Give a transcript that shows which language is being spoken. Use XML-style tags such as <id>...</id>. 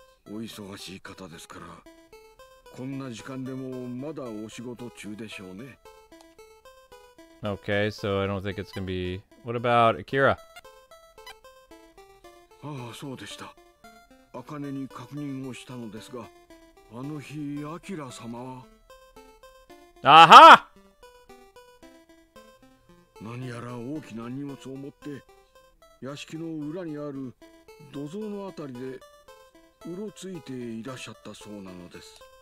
<ja>お忙しい方ですから、こんな時間でもまだお仕事中でしょうね。</ja> <en>Okay, so I don't think it's gonna be. What about Akira?</en> <ja>ああ、そうでした。茜に確認をしたのですが、あの日アキラ様は。</ja> <en>Aha!</en> <ja>何やら大きな荷物を持って屋敷の裏にある土蔵のあたりでうろついていらっしゃったそうなのです。</ja>